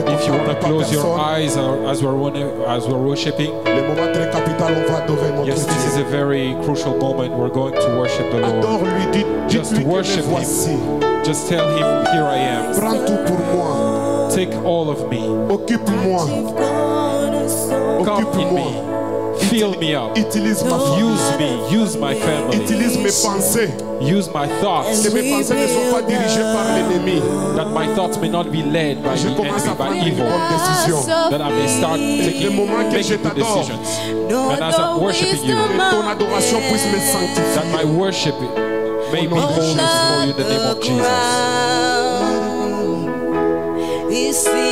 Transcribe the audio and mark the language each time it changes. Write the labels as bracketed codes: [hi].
[en] if you want to close your eyes as we're worshiping, [fr] le moment très capital, on va adorer notre [en] yes, [fr] Dieu. [en] This is a very crucial moment. We're going to worship the Lord. [fr] Adore-lui, [en] just [fr] lui [en] worship him. [fr] Voici. [en] Just tell him, here I am. [fr] Prends tout pour moi. [en] Take all of me. [fr] Occupe-moi. Occupe-moi. [en] Come in me. Fill me up. [fr] Utilise ma famille. [en] Use me. Use my family. [fr] Utilise mes pensées. [en] Use my thoughts. [fr] Que mes pensées ne soient pas dirigées par l'ennemi. [en] That my thoughts may not be led by the enemy, by evil. That I may start taking good decisions. And as I'm worshiping you, [fr] ton adoration puisse me sanctifier. [en] That my worship may be holy for you in the name of Jesus.